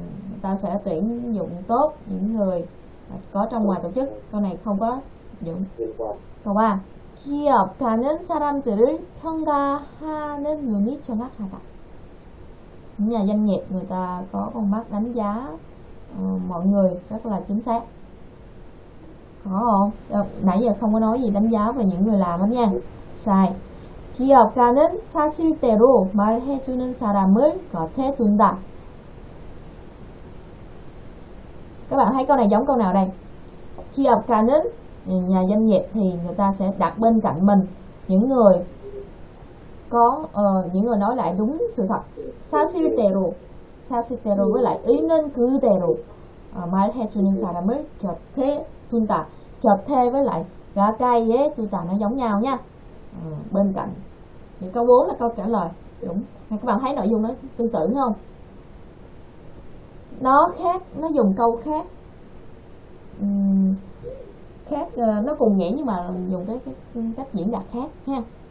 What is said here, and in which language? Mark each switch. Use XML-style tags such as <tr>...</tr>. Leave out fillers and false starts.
<vi>Người ta sẽ tuyển dụng tốt những người có trong ngoài tổ chức. Câu này không có dụng. Câu 3.</vi> <ko>기업가는 사람들을 평가하는 눈이 정확하다.</ko> <vi>Nhà doanh nghiệp người ta có con mắt đánh giá mọi người rất là chính xác. Có không? Nãy giờ không có nói gì đánh giá về những người làm hết nha. Sai.</vi> <ko>기업가는 사실대로 말해주는 사람을 곁에 둔다.</ko> <vi>Các bạn thấy câu này giống câu nào đây? 기업가는 nhà doanh nghiệp thì người ta sẽ đặt bên cạnh mình những người có những người nói lại đúng sự thật.</vi> <ko>사실대로. 사실대로</ko> <vi>với lại</vi> <ko>있는 그대로. 말해주는 사람을 곁에 둔다.</ko> <vi>곁에 với lại</vi> <ko>가까이에 둔다</ko> <vi>nó giống nhau nha. Bên cạnh. Thì câu 4 là câu trả lời đúng. Các bạn thấy nội dung nó tương tự không? Nó khác, nó dùng câu khác. Khác nó cùng nghĩa nhưng mà dùng cái cách diễn đạt khác ha.</vi>